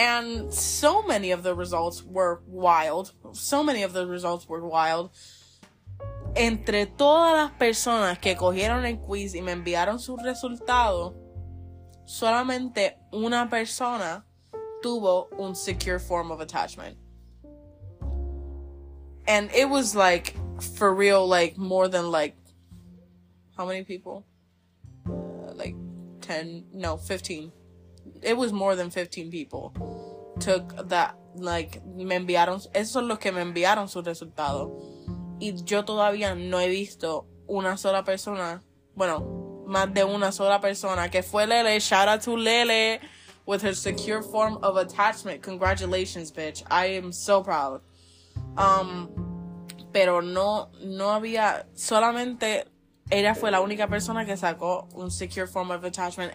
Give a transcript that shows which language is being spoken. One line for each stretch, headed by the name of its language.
English: And so many of the results were wild.
Spanish: Entre todas las personas que cogieron el quiz y me enviaron sus resultados, solamente una persona tuvo un
English: secure form of attachment. And it was like, for real, like, more than like, how many people? Like 10, no, 15. It was more than 15 people took that, like,
Spanish: me enviaron, esos son los que me enviaron su resultado. Y yo todavía no he visto una sola persona, bueno, más de una sola persona, que fue Lele.
English: Shout out to Lele with her secure form of attachment. Congratulations, bitch. I am so proud.
Spanish: Pero no había, solamente ella fue la única persona que sacó un
English: secure form of attachment.